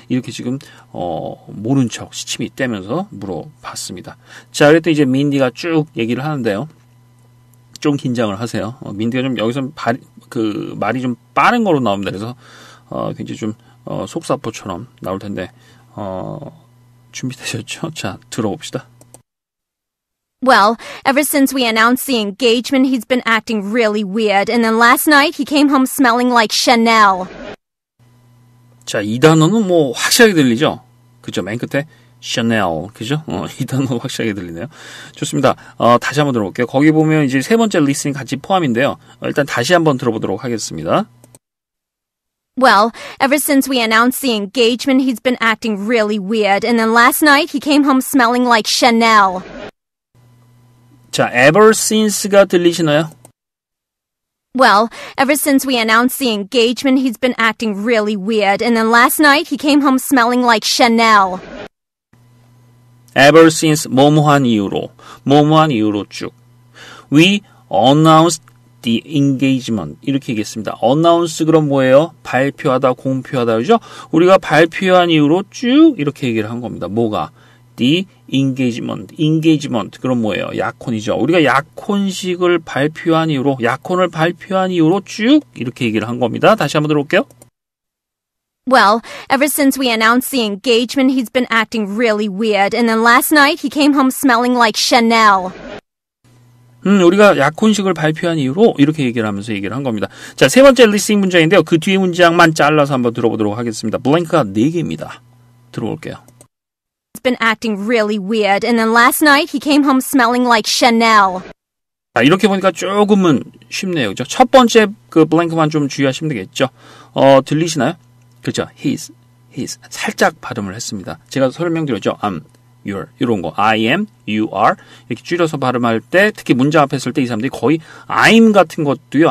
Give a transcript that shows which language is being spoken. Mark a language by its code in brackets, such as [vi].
[ko] 이렇게 지금 모른 척 시침이 떼면서 물어봤습니다. 자, 그랬더니 이제 민디가 쭉 얘기를 하는데요. 좀 긴장을 하세요. 민디가 좀 여기서 말이 좀 빠른 걸로 나옵니다. 그래서 굉장히 좀 속사포처럼 나올 텐데 준비되셨죠? 자, 들어봅시다. [en] Well, ever since we announced the engagement, he's been acting really weird. And then last night, he came home smelling like Chanel. [ko] 자, 이 단어는 뭐 확실하게 들리죠? 그죠? 맨 끝에 Chanel, 그죠? 이 단어 확실하게 들리네요. 좋습니다. 다시 한번 들어볼게요. 거기 보면 이제 세 번째 리스닝 같이 포함인데요. 일단 다시 한번 들어보도록 하겠습니다. [en] Well, ever since we announced the engagement, he's been acting really weird. And then last night, he came home smelling like Chanel. [ko] 자, [en] ever since [ko] 가 들리시나요? [en] Well, ever since we announced the engagement, he's been acting really weird. And then last night, he came home smelling like Chanel. [ko] Ever since, 뭐뭐한 이후로 쭉. [en] We announced the engagement. [ko] 이렇게 얘기했습니다. Announce 그럼 뭐예요? 발표하다, 공표하다, 그죠? 우리가 발표한 이후로 쭉 이렇게 얘기를 한 겁니다. 뭐가? [en] The engagement. [ko] Engagement. 그럼 뭐예요? 약혼이죠. 우리가 약혼식을 발표한 이후로, 약혼을 발표한 이후로 쭉 이렇게 얘기를 한 겁니다. 다시 한번 들어볼게요. [en] Well, ever since we announced the engagement, he's been acting really weird. And then last night, he came home smelling like Chanel. [ko] 우리가 약혼식을 발표한 이후로 이렇게 얘기를 하면서 얘기를 한 겁니다. 자, 세 번째 리스닝 문장인데요. 그 뒤에 문장만 잘라서 한번 들어보도록 하겠습니다. 블랭크가 네 개입니다. 들어볼게요. [en] He's been acting really weird. And then last night, he came home smelling like Chanel. [ko] 자, 이렇게 보니까 조금은 쉽네요. 그죠? 첫 번째 그 블랭크만 좀 주의하시면 되겠죠. 들리시나요? 그죠? He's 살짝 발음을 했습니다. 제가 설명드렸죠. I'm, you're 이런 거. [en] I am, you are [ko] 이렇게 줄여서 발음할 때 특히 문장 앞에 있을 때 이 사람들이 거의 I'm 같은 것도요.